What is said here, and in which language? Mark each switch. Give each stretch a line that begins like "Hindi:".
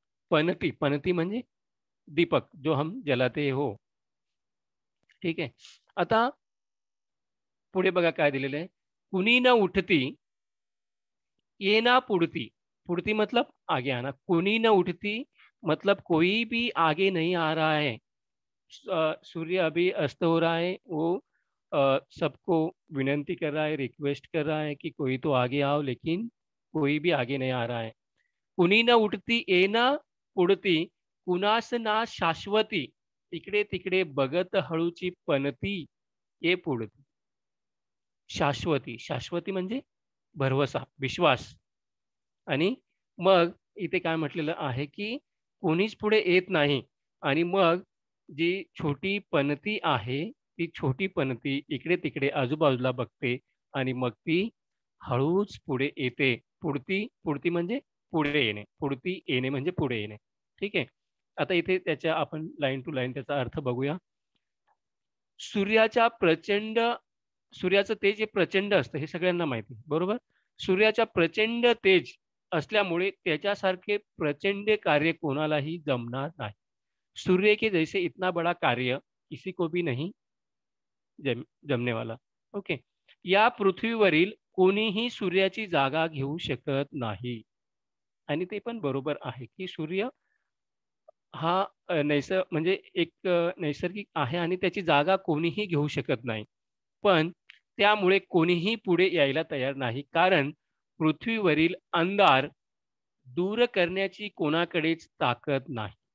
Marathi: पनती, पनती म्हणजे
Hindi: दीपक जो हम जलाते हो,
Marathi: ठीक आहे. आता पुढे बघा काय दिलेलं आहे. कुणी ना उठती ये ना पुढती, पुढती
Hindi: मतलब आगे आना. कुणी ना उठती मतलब कोई भी आगे नहीं आ रहा है, सूर्य अभी अस्त हो रहा है, वो सबको विनंती कर रहा है, रिक्वेस्ट कर रहा है कि कोई तो आगे आओ, लेकिन कोई भी आगे नहीं आ रहा है.
Marathi: कुणी ना उठती ये ना पुढती, कुणास ना शाश्वती, इकडे तिकडे बघत हळूची पनती ये पुढती. शाश्वती, शाश्वती म्हणजे भरवसा, विश्वास. आणि मग इथे काय म्हटलेलं आहे की कोणीच पुढे येत नाही. आणि मग जी छोटी पनती आहे ती छोटी पनती इकडे तिकडे आजूबाजूला बघते आणि मग ती हळूच पुढे येते. पुढती, पुढती म्हणजे पुढे येणे, पुढती येणे म्हणजे पुढे येणे, ठीक आहे. आता इथे त्याच्या आपण लाईन टू लाईन त्याचा अर्थ बघूया. सूर्याच्या प्रचंड, सूर्याचं तेज हे प्रचंड असतं हे सगळ्यांना माहिती, बरोबर. सूर्याचा प्रचंड तेज असल्यामुळे त्याच्यासारखे प्रचंड कार्य कोणालाही जमणार नाही.
Hindi: सूर्य के जैसे इतना बड़ा कार्य किसी को भी नहीं जमने वाला.
English: Okay.
Marathi: या पृथ्वीवरील कोणीही सूर्याची जागा घेऊ शकत नाही. आणि ते पण बरोबर आहे की सूर्य हा नैसर्गिक, म्हणजे एक नैसर्गिक आहे आणि त्याची जागा कोणीही घेऊ शकत नाही. पण त्यामुळे कोणीही पुढे यायला तयार नाही, कारण पृथ्वीवरील अंधार दूर करण्याची कोणाकडेच ताकद नाही.